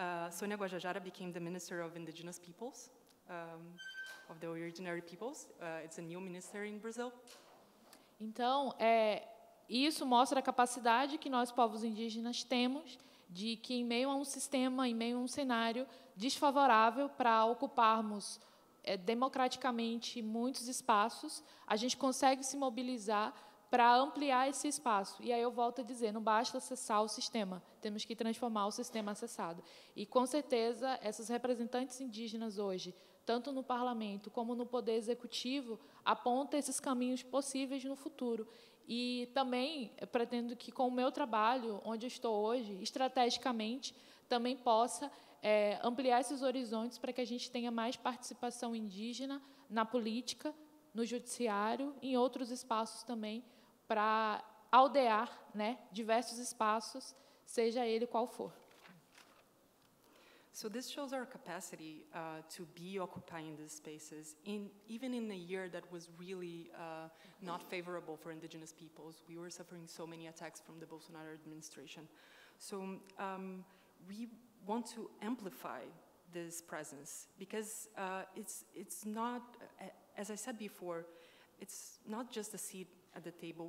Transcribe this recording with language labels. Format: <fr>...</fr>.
<en>Sônia Guajajara became the Minister of Indigenous Peoples, of the Originary Peoples. It's a new minister in Brazil.</en> <pt>Então, isso mostra a capacidade que nós, povos indígenas, temos de que, em meio a um sistema, em meio a um cenário desfavorável para ocuparmos democraticamente muitos espaços, a gente consegue se mobilizar para ampliar esse espaço. E aí eu volto a dizer, não basta acessar o sistema, temos que transformar o sistema acessado. E, com certeza, essas representantes indígenas hoje, tanto no parlamento como no poder executivo, apontam esses caminhos possíveis no futuro. E também pretendo que, com o meu trabalho, onde eu estou hoje, estrategicamente, também possa ampliar esses horizontes para que a gente tenha mais participação indígena na política, no judiciário, em outros espaços também, para aldear, né, diversos espaços, seja ele qual for.</pt> <en>So this shows our capacity to be occupying these spaces, even in a year that was really not favorable for indigenous peoples. We were suffering so many attacks from the Bolsonaro administration. So we want to amplify this presence, because it's not, as I said before, it's not just a seat at the table.</en>